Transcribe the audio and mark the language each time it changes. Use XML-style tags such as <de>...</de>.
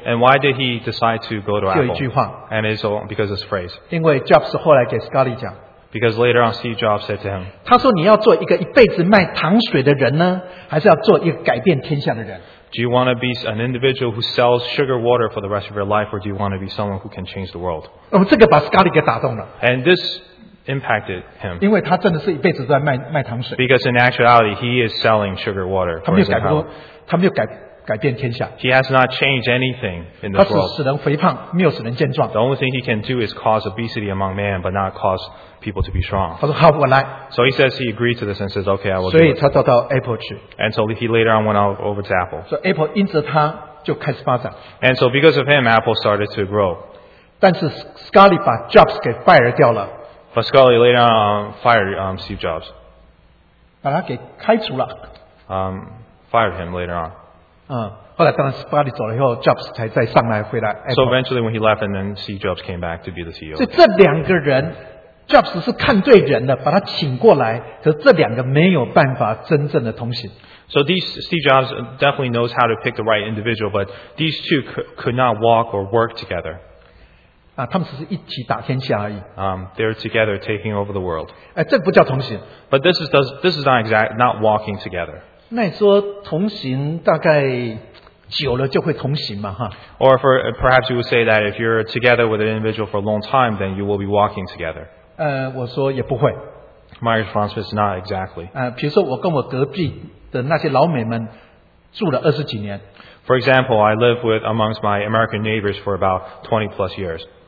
<en>And why did he decide to go to Apple?</en> <zh>就一句话。</zh> <en>And it's because of this phrase.</en> <zh>因为 Jobs 后来给 Scully 讲。</zh> <en>Because later on Steve Jobs said to him.</en> <zh>他说你要做一个一辈子卖糖水的人呢，还是要做一个改变天下的人？</zh> <en>Do you want to be an individual who sells sugar water for the rest of your life, or do you want to be someone who can change the world?</en> <zh>这个把 Scully 给打动了。</zh> <en>And this. Impacted him.</en> <zh>因为他真的是一辈子都在卖糖水。</zh> <en>Because in actuality, he is selling sugar water.</en> <zh>他没有改过，他没有改变天下。</zh> <en>He has not changed anything in the world.</en> <zh>他只使人肥胖，没有使人健壮。</zh> <en>The only thing he can do is cause obesity among man, but not cause people to be strong.</en> <zh>他说好，我来。</zh> <en>So he says he agreed to this and says, "Okay, I will."</en> <zh>所以他到Apple去。</zh> <en>And so he later on went over to Apple.</en> <zh>So Apple 因着他就开始发展。</zh> <en>And so because of him, Apple started to grow.</en> <zh>但是 Scully 把 Jobs 给 fire 掉了。</zh> <en>But Scully later on fired Steve Jobs.</en> <zh>把他给开除了。</zh> <en>Fired him later on.</en> <zh>后来当然 Scully 走了以后 ，Jobs 才再上来回来。</zh> <en>So eventually when he left, and then Steve Jobs came back to be the CEO.</en> <zh>所以这两个人 ，Jobs 是看对人的，把他请过来，可是这两个没有办法真正的同行。</zh> <en>So these Steve Jobs definitely knows how to pick the right individual, but these two could not walk or work together.</en> <zh>他们只是一起打天下而已。</zh> <en>They're together taking over the world.</en> <zh>这不叫同行。</zh> <en>But this is not exact, not walking together.</en> <zh>那你说同行大概久了就会同行嘛，哈。</zh> <en>Or for, perhaps you would say that if you're together with an individual for a long time, then you will be walking together.</en> <zh>我说也不会。</zh> <en>My response is not exactly.</en> <zh>比如说我跟我隔壁的那些老美们住了二十几年。</zh> <en>For example, I live with amongst my American neighbors for about 20 plus years.</en>